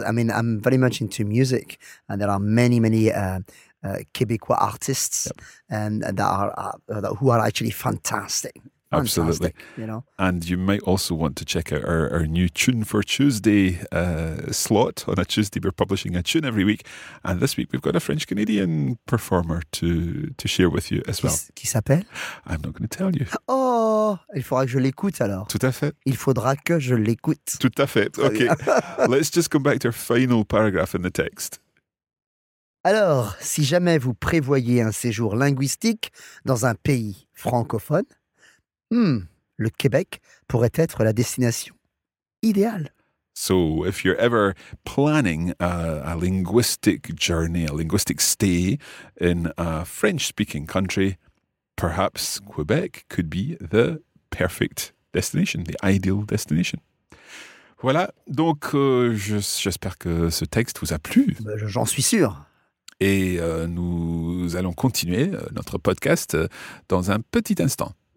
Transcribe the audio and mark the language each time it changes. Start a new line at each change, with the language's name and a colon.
English: I mean, I'm very much into music, and there are many, many Quebecois artists who are actually fantastic. Absolutely. You know. And you might also want to check out our new Tune for Tuesday slot. On a Tuesday, we're publishing a tune every week. And this week, we've got a French-Canadian performer to share with you as well.
French: Qui s'appelle?
English: I'm not going to tell you.
French: Oh, il faudra que je l'écoute alors. Tout à fait. Il faudra que je l'écoute. Tout à fait. Okay.
English: Let's just come back to our final paragraph in the text.
French: Alors, si jamais vous prévoyez un séjour linguistique dans un pays francophone, le Québec pourrait être la destination idéale.
English: So, if you're ever planning a linguistic journey, a linguistic stay in a French-speaking country, perhaps Quebec could be the perfect destination, the ideal destination.
French: Voilà, donc j'espère que ce texte vous a plu. J'en suis sûr. Et nous allons continuer notre podcast dans un petit instant.